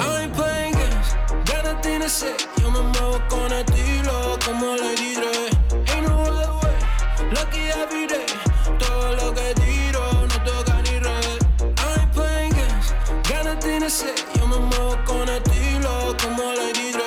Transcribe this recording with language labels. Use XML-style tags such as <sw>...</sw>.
<en>I ain't playing games, got a thing to say.</en> <es>Yo me muevo con estilo como le diré.</es> <en>Ain't no other way, lucky every day.</en> <es>Todo lo que tiro no toca ni red.</es> <en>I ain't playing games, got a thing to say.</en> <es>Yo me muevo con estilo como le diré.</es>